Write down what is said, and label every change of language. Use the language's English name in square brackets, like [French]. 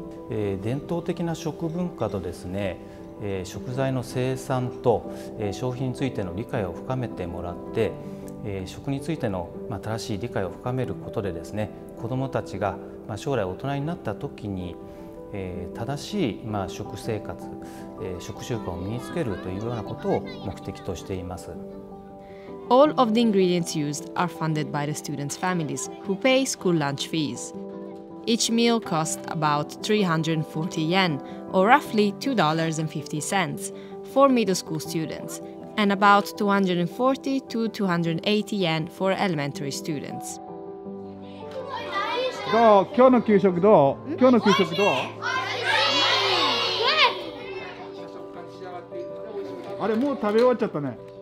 [Japanese] 伝統的な食文化とですね、食材の生産と消費についての理解を深めてもらって、食についての正しい理解を深めることでですね、子どもたちが将来大人になった時に正しい食生活、食習慣を身につけるというようなことを目的としています。 [English] All of the ingredients used are funded by the students' families who pay school lunch fees. Each meal costs about 340 yen, or roughly $2.50, for middle school students, and about 240 to 280 yen for elementary students. [Japanese] どう今日の給食どう今日の給食どうあれもう食べ終わっちゃったね。